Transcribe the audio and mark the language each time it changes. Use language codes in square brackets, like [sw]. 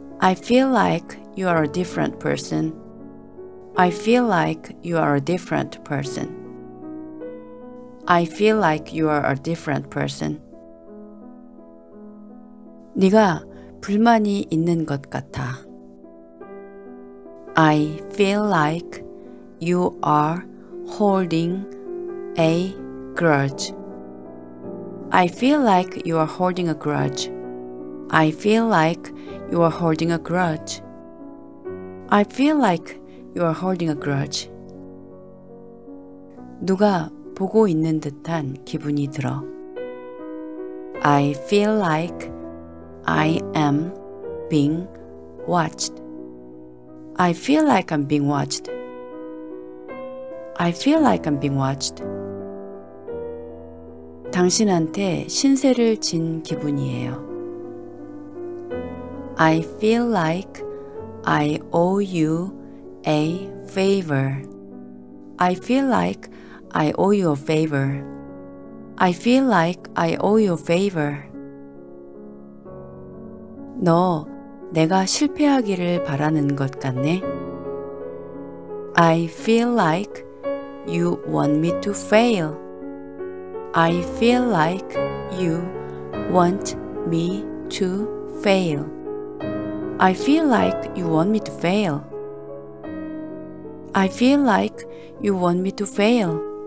[en] I feel like you are a different person. I feel like you are a different person. I feel like you are a different person. [ko] 네가 불만이 있는 것 같아. [en] I feel like you are holding a grudge. I feel like you are holding a grudge. I feel like you are holding a grudge. I feel like you are holding a grudge. [ko] 누가 보고 있는 듯한 기분이 들어. [en] I feel like I am being watched. I feel like I'm being watched. I feel like I'm being watched. [ko] 당신한테 신세를 진 기분이에요. [en] I feel like I owe you a favor. I feel like I owe you a favor. I feel like I owe you a favor. [ko] 너 내가 실패하기를 바라는 것 같네. [en] I feel like you want me to fail. I feel like you want me to fail. I feel like you want me to fail. I feel like you want me to fail.